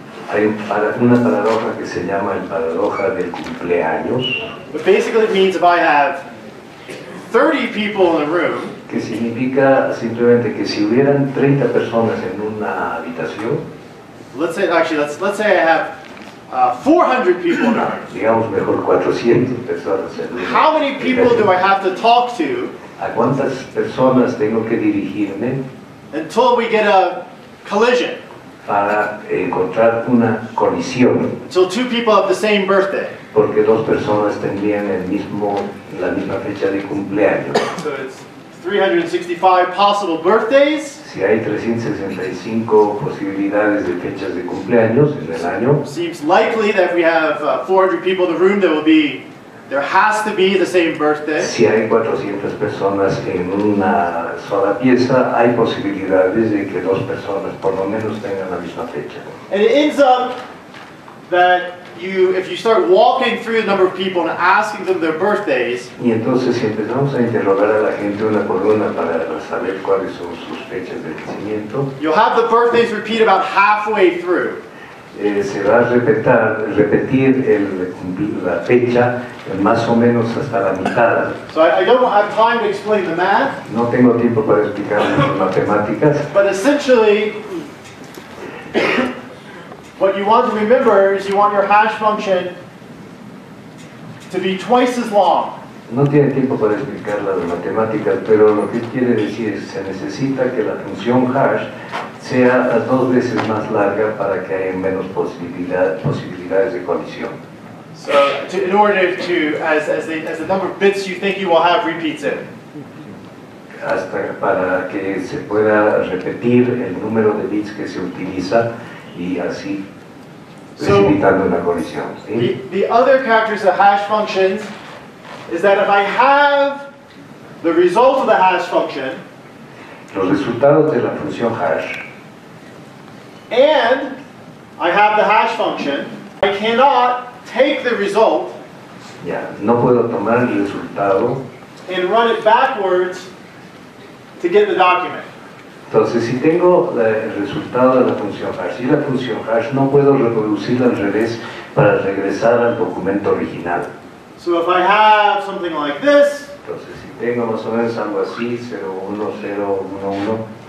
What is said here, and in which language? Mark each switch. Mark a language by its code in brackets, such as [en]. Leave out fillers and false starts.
[es] Hay una paradoja que se llama el paradoja del cumpleaños. [en] But basically it means if I have 30 people in a room, [es] que significa simplemente que si hubieran 30 personas en una habitación, [en] let's say I have 400 people in a room, [es] digamos mejor 400 personas en una, [en] how many people do I have to talk to, [es] ¿a cuántas personas tengo que dirigirme, [en] until we get a collision, [es] para encontrar una colisión? [en] So two people have the same birthday. [es] Porque dos personas tendrían la misma fecha de cumpleaños. [en] So it's 365 possible birthdays. [es] Si hay 365 posibilidades de fechas de cumpleaños en el año. [en] Seems likely that if we have 400 people in the room, there has to be the same birthday. [es] Si hay 400 personas en una sola pieza, hay posibilidades de que dos personas por lo menos tengan la misma fecha. [en] And it ends up that if you start walking through the number of people and asking them their birthdays, [es] y entonces si empezamos a interrogar a la gente una por una para saber cuáles son sus fechas de nacimiento, [en] you'll have the birthdays repeat about halfway through. [es] se va a repetir la fecha más o menos hasta la mitad. [en] So I don't have time to explain the math. [es] No tengo tiempo para explicar las matemáticas. [en] But essentially, what you want to remember is you want your hash function to be twice as long. [es] No tiene tiempo para explicar las matemáticas, pero lo que quiere decir es que se necesita que la función hash sea dos veces más larga para que haya menos posibilidades de colisión. [en] So, as the number of bits you think you will have repeats in. [es] Hasta para que se pueda repetir el número de bits que se utiliza y así precipitando una colisión. ¿Sí? [en] The other characters of hash functions is that if I have the result of the hash function, [es] los resultados de la función hash, [en] and I have the hash function, I cannot take the result, [es] yeah, no puedo tomar el resultado, [en] and run it backwards to get the document. [es] Entonces, si tengo el resultado de la función hash, y la función hash, no puedo reproducirla al revés para regresar al documento original. [en] So if I have something like this, [es] entonces, si tengo más o menos algo así, 0, 1, 0, 1, 1,